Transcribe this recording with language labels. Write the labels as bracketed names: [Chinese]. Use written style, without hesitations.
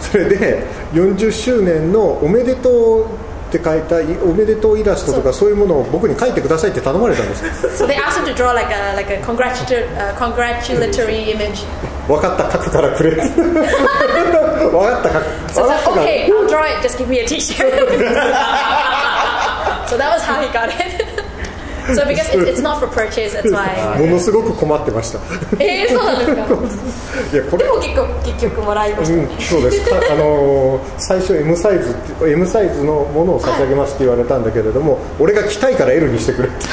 [Japanese] それで、40周年のおめでとうって書いたおめでとうイラストとかそういうものを僕に書いてくださいって頼まれたんです。 [English] So they asked him to draw like a congratulatory image. [Japanese] 分かった、書くからくれ。分かった、書く。 [English] So it's like, okay, I'll draw it, just give me a t-shirt. So that was how he got it. So because it's not for purchase, that's why. [Japanese] ものすごく困ってました。え、そうなんですか。いや、これでも結局もらいました、ね。そうですか。最初 M サイズ、M サイズのものを差し上げますって言われたんだけれども、俺が着たいから L にしてくれ。